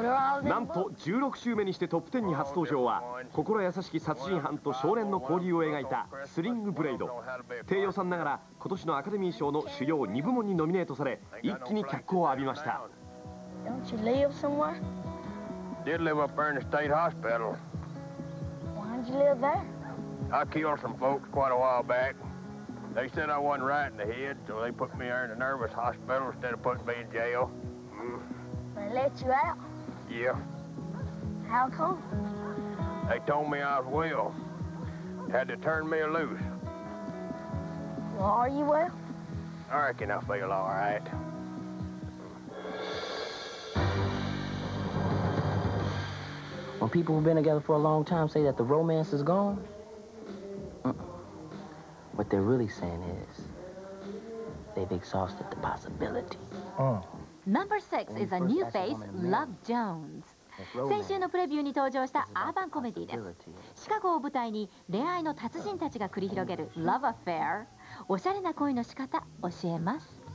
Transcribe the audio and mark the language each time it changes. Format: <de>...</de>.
<ja>なんと16週目にしてトップ10に初登場は、心優しき殺人犯と少年の交流を描いたスリングブレイド。低予算ながら今年のアカデミー賞の主要2部門にノミネートされ、一気に脚光を浴びました。</ja> <en>Did live up there in the state hospital. Why'd you live there? I killed some folks quite a while back. They said I wasn't right in the head, so they put me there in the nervous hospital instead of putting me in jail. They let you out? Yeah. How come? They told me I was well. Had to turn me loose. Well, are you well? I reckon I feel all right. When people who've been together for a long time say that the romance is gone, what they're really saying is they've exhausted the possibility. Number 6 is a new face, Love Jones.</en> <ja>先週のプレビューに登場したアーバンコメディです。シカゴを舞台に恋愛の達人たちが繰り広げる Love Affair。おしゃれな恋の仕方教えます。</ja>